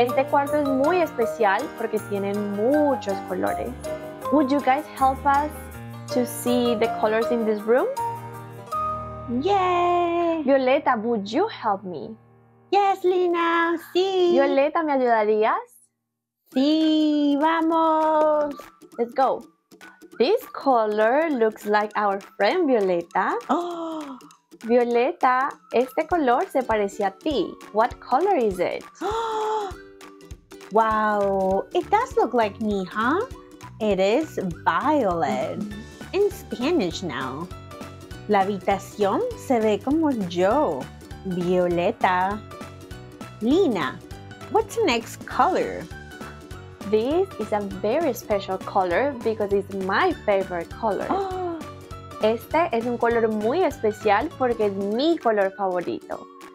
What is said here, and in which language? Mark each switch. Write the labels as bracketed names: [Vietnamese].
[Spanish] Este cuarto es muy especial porque tiene muchos colores. [English] Would you guys help us to see the colors in this room? Yay! Violeta, would you help me? Yes, Lina, sí. [Spanish] Violeta, ¿me ayudarías? Sí, vamos. [English] Let's go. This color looks like our friend Violeta. Oh. [Spanish] Violeta, este color se parece a ti. [English] What color is it? Oh. Wow, it does look like me, huh? It is violet. In Spanish now. [Spanish] La habitación se ve como yo, Violeta. [English] Lina, what's the next color? This is a very special color because it's my favorite color. Oh. [Spanish] Este es un color muy especial porque es mi color favorito.